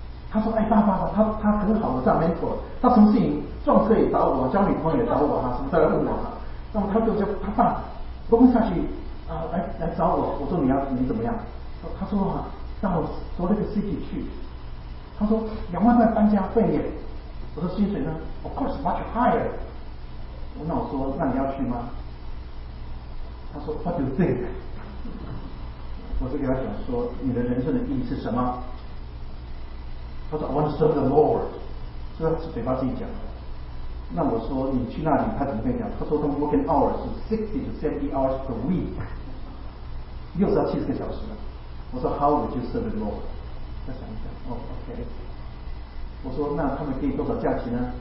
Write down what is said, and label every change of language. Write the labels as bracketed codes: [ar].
[zh] 他说：“哎，爸，他很好的在 mentor， 他什么事情撞车也找我，交女朋友也找我哈，什么都来问我哈。那么他就叫他爸 Goldman Sachs。” 来找我，我说你怎么样？他说哈、到我那个 city 去，他说20000搬家费耶。我说薪水呢 [en] ？Of course much higher。 [zh] 那我说那你要去吗？ [en] 他说 What do you think？ [zh] 我就给他讲说你的人生的意义是什么？他说 [en] I want to serve the Lord。 [zh] 这是嘴巴自己讲的。那我说你去那里，他怎么跟你讲？他说他 [en] working hours [zh] 是 [en] 60 to 70 hours per week。 [zh] 60到70个小时，我说 [en] How would you serve the Lord？ [zh] 再想一想，OK。我说那他们给你多少假期呢？